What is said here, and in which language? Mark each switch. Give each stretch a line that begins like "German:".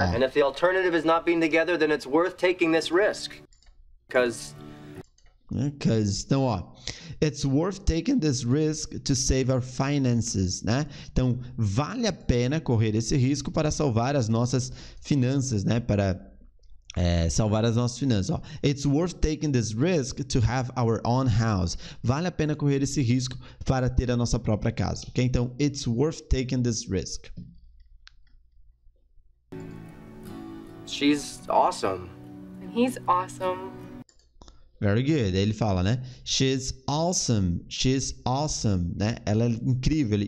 English: And if the alternative is not being together, then it's worth taking this risk. Because... Because,
Portuguese: então, ó,
English: it's worth taking this risk to save our finances, né?
Portuguese: Então, vale a pena correr esse risco para salvar as nossas finanças, né? Para salvar as nossas finanças, ó.
English: It's worth taking this risk to have our own house.
Portuguese: Vale a pena correr esse risco para ter a nossa própria casa, ok?
English: Então, it's worth taking this risk. She's awesome. He's awesome. Very good.
Portuguese: Ele fala, né?
English: She's awesome. She's awesome.
Portuguese: Né? Ela é incrível.